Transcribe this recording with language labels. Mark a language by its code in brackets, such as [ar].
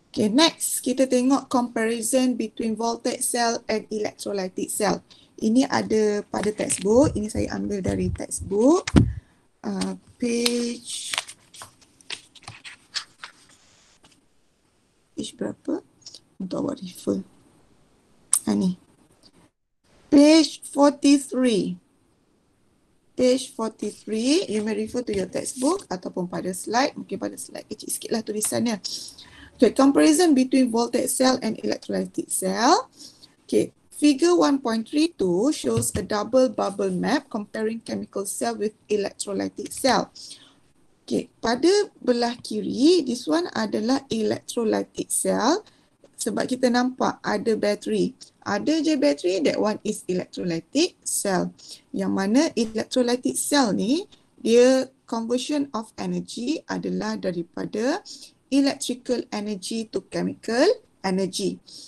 [en] Okay, next [ms] kita tengok [en] comparison between voltage cell and electrolytic cell. [ms] Ini ada pada textbook. Ini saya ambil dari textbook. Page berapa? Untuk awak refer. Ini. [en] Page 43. Page 43. You may refer to your textbook [ms] ataupun pada slide. Mungkin pada slide kecil sikit lah tulisannya. [en] Okay, comparison between voltage cell and electrolytic cell. Okay, figure 1.32 shows a double bubble map comparing chemical cell with electrolytic cell. [ms] Okay, pada belah kiri, [en] this one [ms] adalah electrolytic cell sebab kita nampak ada bateri. Ada je bateri, [en] that one is electrolytic cell. [ms] Yang mana [en] electrolytic cell [ms] ni, dia [en] conversion of energy [ms] adalah daripada [en] electrical energy to chemical energy.